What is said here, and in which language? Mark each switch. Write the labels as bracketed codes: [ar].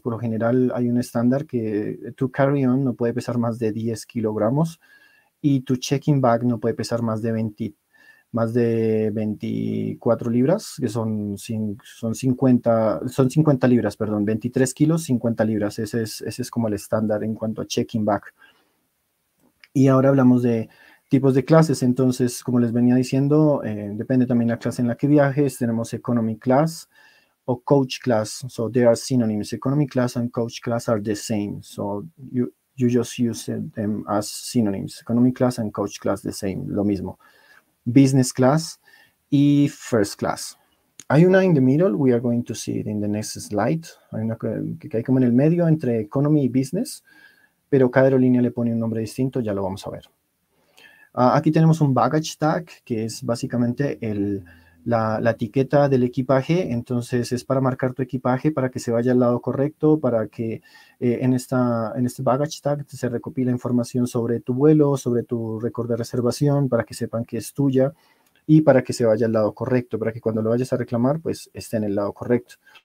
[es] Por lo general, hay un estándar que tu carry-on no puede pesar más de 10 kilogramos y tu checking bag no puede pesar más de 24 libras, que son 50 libras, perdón, 23 kilos, 50 libras. Ese es como el estándar en cuanto a checking bag. Y ahora hablamos de tipos de clases. Entonces, como les venía diciendo, depende también la clase en la que viajes. Tenemos economy class o coach class. [en] So, they are synonyms. Economy class and coach class are the same. So, you just use them as synonyms. Economy class and coach class, the same, [es] lo mismo. [en] Business class y first class. [es] Hay una [en] in the middle, we are going to see it in the next slide. [es] Hay una que hay como en el medio entre economy y business, pero cada aerolínea le pone un nombre distinto, ya lo vamos a ver. Aquí tenemos un baggage tag, que es básicamente la etiqueta del equipaje. Entonces es para marcar tu equipaje, para que se vaya al lado correcto, para que en este baggage tag se recopila información sobre tu vuelo, sobre tu récord de reservación, para que sepan que es tuya y para que se vaya al lado correcto, para que cuando lo vayas a reclamar, pues esté en el lado correcto.